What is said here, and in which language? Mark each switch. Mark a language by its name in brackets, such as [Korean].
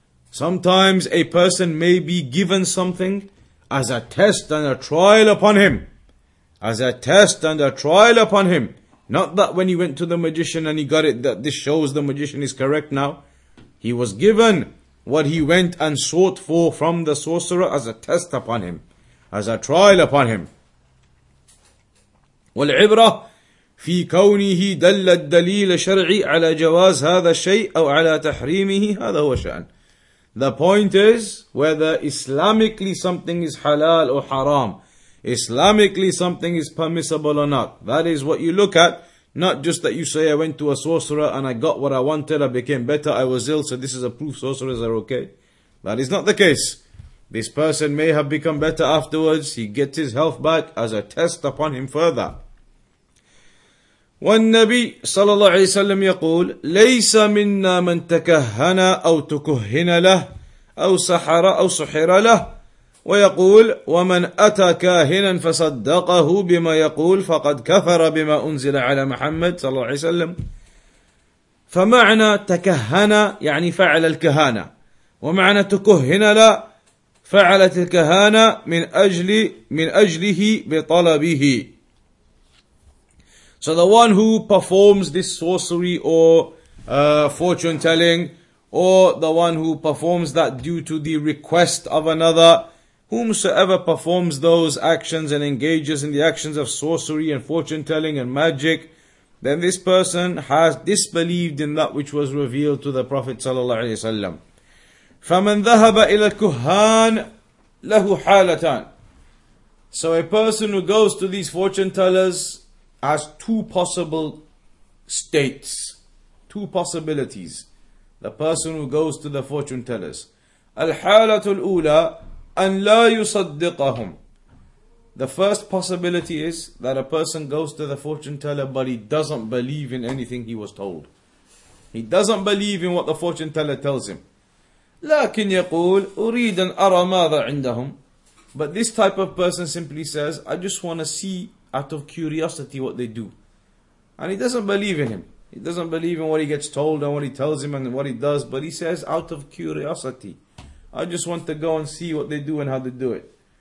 [English] Sometimes a person may be given something as a test and a trial upon him. As a test and a trial upon him. Not that when he went to the magician and he got it, that this shows the magician is correct now. He was given what he went and sought for from the sorcerer as a test upon him. As a trial upon him. [Arabic] والعبرة في كونه دل الدليل الشرعي على جواز هذا الشيء أو على تحريمه هذا هو شأن. [English] The point is whether Islamically something is halal or haram. Islamically something is permissible or not. That is what you look at. Not just that you say, I went to a sorcerer and I got what I wanted, I became better, I was ill, so this is a proof sorcerers are okay. That is not the case. This person may have become better afterwards. He gets his health back as a test upon him further. [Arabic] والنبي صلى الله عليه وسلم يقول ليس منا من تكهن أو تكهن له أو سحر أو سحر له ويقول ومن أتى كاهنا فصدقه بما يقول فقد كفر بما أنزل على محمد صلى الله عليه وسلم. فمعنى تكهن يعني فعل الكهانة ومعنى تكهن له فعلت الكهانة من أجله بطلبه. [English] So the one who performs this sorcery or fortune telling, or the one who performs that due to the request of another, whomsoever performs those actions and engages in the actions of sorcery and fortune telling and magic, then this person has disbelieved in that which was revealed to the Prophet sallallahu alaihi wasallam. [Arabic] فَمَنْ ذَهَبَ إِلَى الْكُهَّانِ لَهُ حَالَتَانِ. [English] So a person who goes to these fortune tellers has two possible states, two possibilities. The person who goes to the fortune tellers. [Arabic] الْحَالَةُ الْأُولَىٰ أَنْ لَا يُصَدِّقَهُمْ. [English] The first possibility is that a person goes to the fortune teller but he doesn't believe in anything he was told. He doesn't believe in what the fortune teller tells him. [Arabic] لكن يقول أريد أن أرى ماذا عندهم. [English] But this type of person simply says, I just want to see out of curiosity what they do. And he doesn't believe in him. He doesn't believe in what he gets told and what he tells him and what he does. But he says, out of curiosity, I just want to go and see what they do and how they do it.